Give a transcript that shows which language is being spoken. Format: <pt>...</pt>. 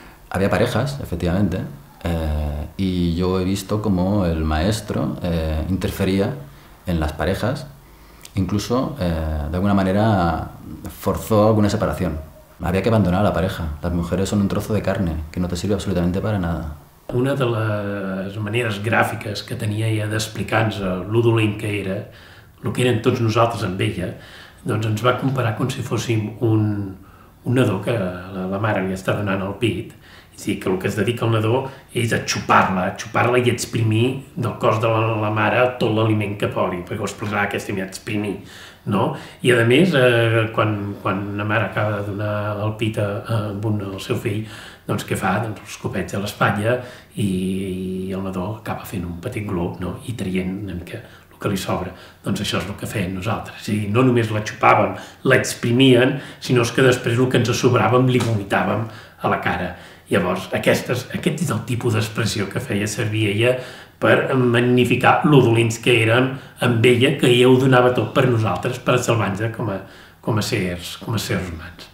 <es>Había parejas, efectivamente, y yo he visto cómo el maestro interfería en las parejas, incluso, de alguna manera, forzó alguna separación. Había que abandonar a la pareja. Las mujeres son un trozo de carne que no te sirve absolutamente para nada.</es> <ca>Una de les maneres gràfiques que tenia ella d'explicar-nos el dolent que era, el que eren tots nosaltres amb ella, doncs ens va comparar com si fóssim un nadó que la mare li està donant al pit. És a dir, que el que es dedica al nadó és a xupar-la i exprimir del cos de la mare tot l'aliment que pogui, perquè ho explicarà aquesta i exprimir. No? I a més, quan la mare acaba de donar el pit al seu fill, doncs què fa? Doncs els copets a l'espatlla i el nadó acaba fent un petit glob, no? I traient una mica el que li sobra. Doncs això és el que feien nosaltres. És a dir, no només la xupàvem, l'exprimien, sinó que després el que ens sobràvem li vomitàvem a la cara. Llavors, aquest és el tipus d'expressió que feia servir ella per magnificar lo dolents que érem amb ella, que ella ho donava tot per nosaltres, per salvar-nos com a sers humans.</ca>